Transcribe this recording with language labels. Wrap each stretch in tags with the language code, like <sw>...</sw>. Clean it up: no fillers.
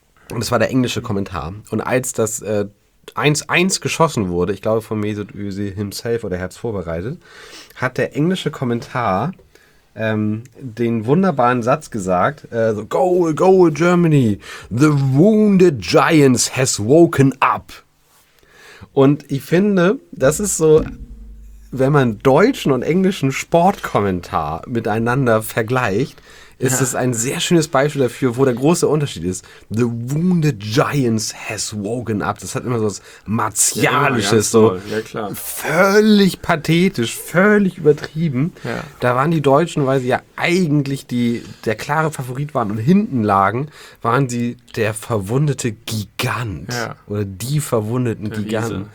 <de>Und das war der englische Kommentar. Und als das 1-1 geschossen wurde, ich glaube von Mesut Özil himself oder Herz vorbereitet, hat der englische Kommentar den wunderbaren Satz gesagt, so,</de> <en>goal, goal, Germany, the wounded giants has woken up.</en> <de>Und ich finde, das ist so, wenn man deutschen und englischen Sportkommentar miteinander vergleicht, ist es ein sehr schönes Beispiel dafür, wo der große Unterschied ist.</de> <en>The wounded giants has woken up.</en> <de>Das hat immer so was Martialisches, ja, ja, klar. Völlig pathetisch, völlig übertrieben. Ja. Da waren die Deutschen, weil sie ja eigentlich der klare Favorit waren und hinten lagen, waren sie der verwundete Gigant. Ja. Oder die verwundeten der Giganten.</de>